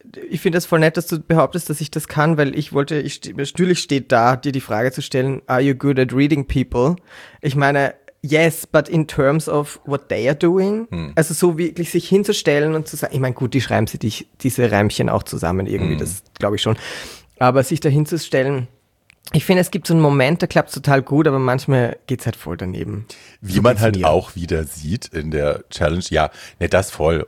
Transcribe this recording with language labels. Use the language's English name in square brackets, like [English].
[German] Ich finde es voll nett, dass du behauptest, dass ich das kann, weil ich wollte, natürlich steht da, dir die Frage zu stellen, [English] are you good at reading people? [German] Ich meine, [English] yes, but in terms of what they are doing. [German] Also so wirklich sich hinzustellen und zu sagen, ich meine, gut, die schreiben sich diese Reimchen auch zusammen irgendwie, das glaube ich schon. Aber sich da hinzustellen, ich finde, es gibt so einen Moment, da klappt es total gut, aber manchmal geht es halt voll daneben. Wie man halt auch wieder sieht in der Challenge, ja, ne, das voll.